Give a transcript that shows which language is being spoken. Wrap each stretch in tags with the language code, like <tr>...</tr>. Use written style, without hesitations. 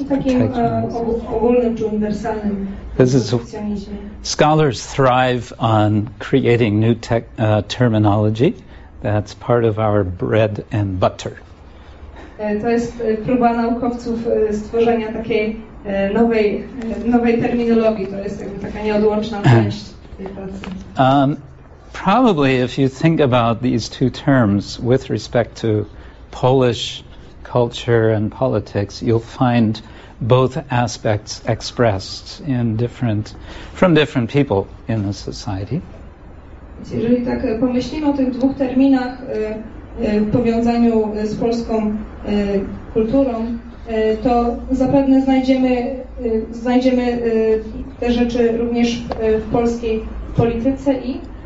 <pl>I takim ogólnym czy uniwersalnym.</pl> <en>This is scholars thrive on creating new terminology. That's part of our bread and butter.</en> <pl>To jest próba naukowców stworzenia takiej nowej terminologii. To jest jakby taka nieodłączna część tej pracy. Probably if you think about these two terms with respect to Polish culture and politics, you'll find both aspects expressed in different from different people in the society. Jeżeli tak pomyślimy o tych dwóch terminach w powiązaniu z polską kulturą, to zapewne znajdziemy te rzeczy również w polskiej polityce i</pl>